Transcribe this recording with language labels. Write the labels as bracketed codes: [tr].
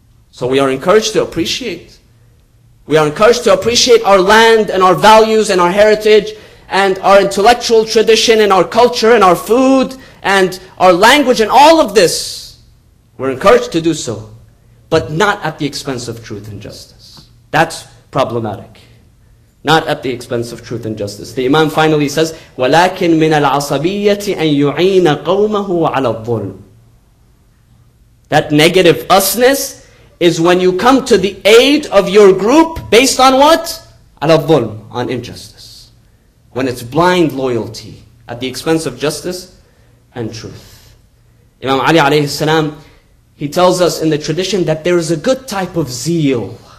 [en] So we are encouraged to appreciate. We are encouraged to appreciate our land and our values and our heritage and our intellectual tradition and our culture and our food and our language and all of this. We're encouraged to do so, but not at the expense of truth and justice. That's problematic. Not at the expense of truth and justice. The Imam finally says, [ar] وَلَكِن مِنَ الْعَصَبِيَّةِ أَن يُعِينَ قَوْمَهُ عَلَى الظُّلْمِ. [en] That negative usness is when you come to the aid of your group based on what? [ar] عَلَى الظُّلْمِ, [en] on injustice. When it's blind loyalty at the expense of justice and truth. Imam Ali alayhi salam, he tells us in the tradition that there is a good type of zeal.